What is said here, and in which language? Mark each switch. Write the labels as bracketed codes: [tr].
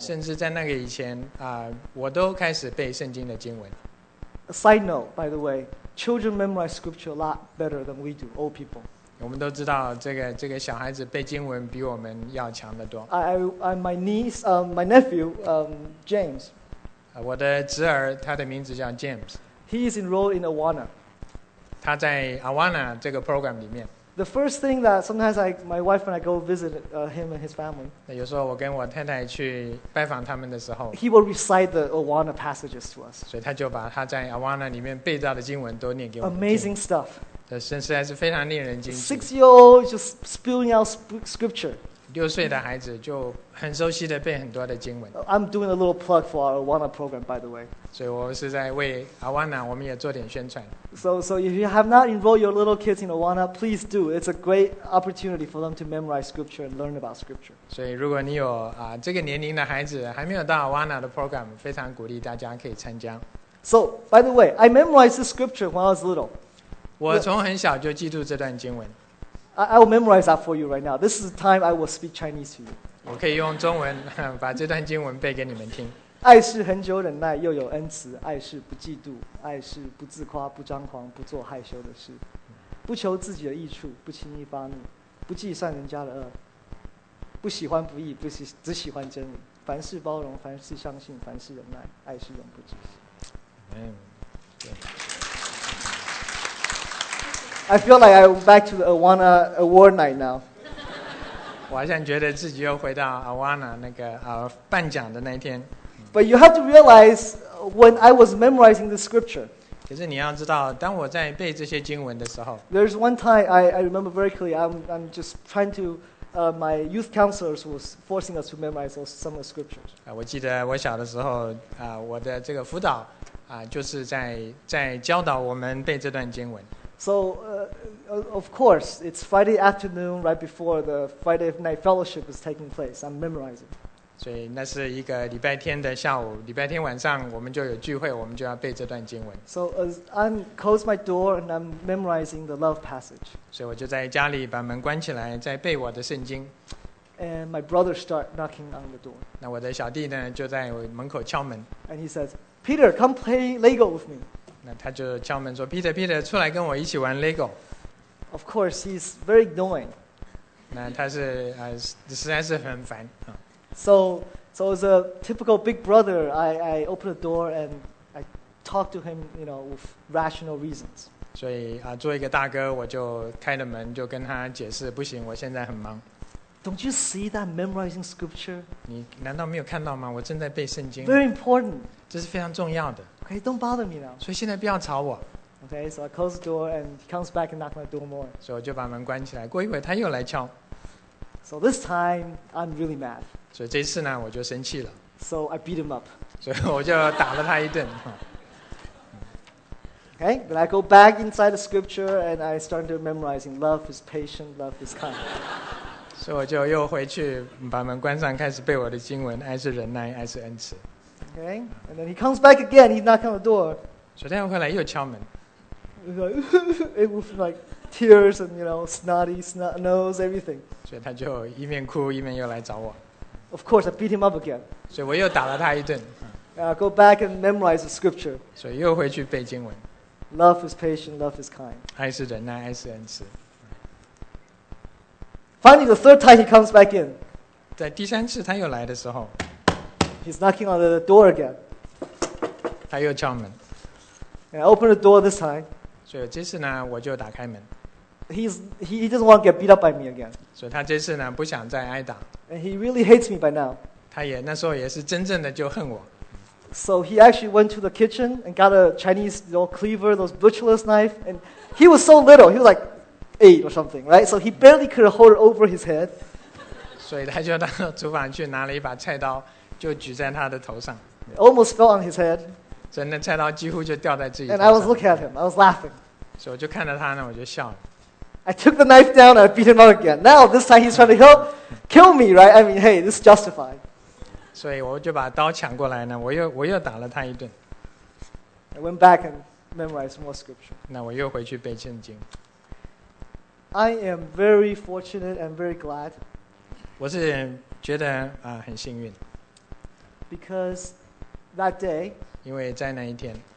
[zh] 甚至在那个以前我都开始背圣经的经文。 [en] A side note, by the way. Children memorize scripture a lot better than we do, old people. [zh] 我们都知道这个小孩子背经文比我们要强得多。 [en] My nephew, James. [zh] 我的侄儿，他的名字叫 James. [en] He is enrolled in Awana. [zh] 他在 Awana 这个 program 里面。 [en] The first thing that sometimes my wife and I go visit him and his family. [zh] 有时候我跟我太太去拜访他们的时候 [en] ，He will recite the Awana passages to us. [zh] 所以他就把他在 Awana 里面背到的经文都念给我们。 [en] Amazing stuff. [zh] 这真实在是非常令人惊奇。 [en] 6-year-old just spilling out scripture. [zh] 六岁的孩子就很熟悉的背很多的经文。 [en] I'm doing a little plug for our Awana program, by the way. [zh] 所以我是在为 Awana 我们也做点宣传。 [en] So if you have not enrolled your little kids in Awana, please do. It's a great opportunity for them to memorize scripture and learn about scripture. [zh] 所以如果你有这个年龄的孩子还没有到 Awana 的 program, 非常鼓励大家可以参加。 [en] So, by the way, I memorized the scripture when I was little. [zh] 我从很小就记住这段经文。 [en] I will memorize that for you right now. This is the time I will speak Chinese to you. [zh] 我可以用中文把这段经文背给你们听。爱是恒久忍耐，又有恩慈；爱是不嫉妒，爱是不自夸，不张狂，不做害羞的事，不求自己的益处，不轻易发怒，不计算人家的恶，不喜欢不义，只喜欢真理。凡事包容，凡事相信，凡事忍耐，爱是永不止息。 [en] I feel like I'm back to the Awana Award night now. [zh] 我好像觉得自己又回到 Awana 那个颁奖的那一天。 [en] But you have to realize when I was memorizing the scripture. [zh] 可是你要知道，当我在背这些经文的时候。 [en] There's one time I remember very clearly. I'm just trying to. My youth counselors was forcing us to memorize some of the scriptures. [zh] 我记得我小的时候我的这个辅导就是在教导我们背这段经文。 [en] So, of course, it's Friday afternoon right before the Friday night fellowship is taking place. I'm memorizing. [zh] 所以那是一个礼拜天的下午，礼拜天晚上我们就有聚会，我们就要背这段经文。 [en] So, as I'm close my door and I'm memorizing the love passage. [zh] 所以我就在家里把门关起来，在背我的圣经。 [en] And my brother start knocking on the door. [zh] 那我的小弟呢，就在门口敲门。 [en] And he says, Peter, come play Lego with me. [zh] 那他就敲门说 ：“Peter， 出来跟我一起玩 Lego。” [en] Of course, he's very annoying. [zh] 那他是实在是很烦啊。 [en] So as a typical big brother, I open the door and I talk to him, you know, with rational reasons. [zh] 所以作为一个大哥，我就开了门，就跟他解释：“不行，我现在很忙。” [en] Don't you see that memorizing scripture? [zh] 你难道没有看到吗？我正在背圣经。 [en] Very important. [zh] 这是非常重要的。 [en] Okay, don't bother me now. [zh] 所以现在不要吵我。 [en] Okay, so I close the door and he comes back and knocks my door more. [zh] 所以我就把门关起来。过一会他又来敲。 [en] So this time I'm really mad. [zh] 所以这次呢我就生气了。 [en] So I beat him up. [zh] 所以我就打了他一顿。 [en] Okay, when I go back inside the scripture and I start to memorizing, love is patient, love is kind. [zh] 所以我就又回去把门关上，开始背我的经文，爱是忍耐，爱是恩慈。 [en] Okay, and then he comes back again. He knocks on the door. [zh] 昨天回来又敲门。 [en] It was like tears and you know snotty snot nose everything. [zh] 所以他就一面哭一面又来找我。 [en] Of course, I beat him up again. [zh] 所以我又打了他一顿。 [en] Go back and memorize the scripture. [zh] 所以又回去背经文。 [en] Love is patient, love is kind. [zh] 爱是忍耐，爱是恩慈。 [en] Finally, the third time he comes back in. [zh] 在第三次他又来的时候。 [en] He's knocking on the door again. [zh] 他又敲门。 [en] And I open the door this time. [zh] 所以这次呢，我就打开门。 [en] He doesn't want to get beat up by me again. [zh] 所以他这次呢，不想再挨打。 [en] And he really hates me by now. [zh] 他也那时候也是真正的就恨我。 [en] So he actually went to the kitchen and got a Chinese cleaver, those butcherless knife. And he was so little, he was like 8 or something, right? So he barely could hold it over his head. [zh] 所以他就到厨房去拿了一把菜刀，就举在他的头上。 [en] It almost fell on his head. [zh] 所以那菜刀几乎就掉在自己头上。 [en] And I was looking at him, I was laughing. [zh] 所以我就看着他呢，我就笑了。 [en] I took the knife down and I beat him up again. Now this time he's trying to help kill me, right? I mean, hey, this is justified. [zh] 所以我就把刀抢过来呢，我又打了他一顿。 [en] I went back and memorized more scripture. [zh] 那我又回去背圣经。 [en] I am very fortunate and very glad. [zh] 我是觉得很幸运。 [en] Because that day. [zh] 因为在那一天。